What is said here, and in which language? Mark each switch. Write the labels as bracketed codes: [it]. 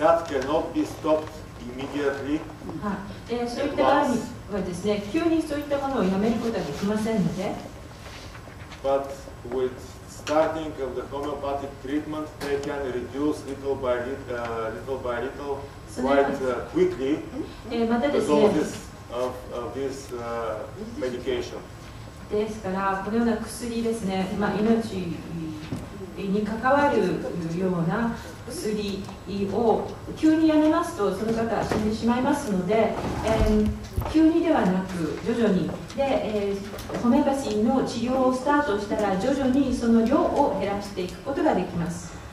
[en] That cannot be stopped immediately. [ja] はい。そういった場合はですね、急にそういったものをやめることはできませんので。 [en] But with starting of the homeopathic treatment, they can reduce little by little, little by little, quite quickly. [ja] またですね。 [en] The doses of this medication. [ja] ですから、このような薬ですね、まあ命に関わるような薬を急にやめますとその方は死んでしまいますので、急にではなく徐々にで、ホメオパシーの治療をスタートしたら徐々にその量を減らしていくことができます。